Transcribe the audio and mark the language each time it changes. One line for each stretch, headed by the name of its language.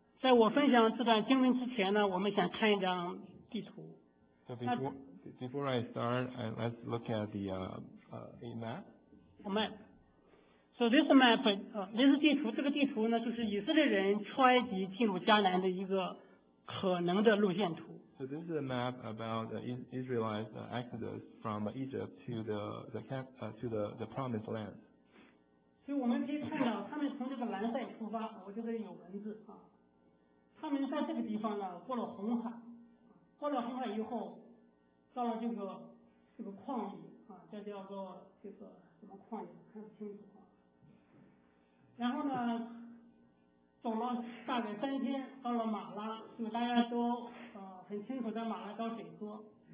Chinese: 在我分享这段经文之前呢，我们想看一张地图。
English: So before I start, let's look at the a map. A map. So this map, this
Chinese: 地图，这个地图呢，就是以色列人出埃及进入迦南的一个可能的路线图。
English: So this is a map about Israelites' exodus from Egypt to the promised land.
Chinese: 所以我们可以看到，他们从这个蓝色出发，我这边有文字他们在这个地方呢，过了红海。过了红海以后，到了这个旷野这叫做这个什么旷野，看不清楚然后呢，走了大概三天，到了马拉，就大家都很清楚在马拉高水多。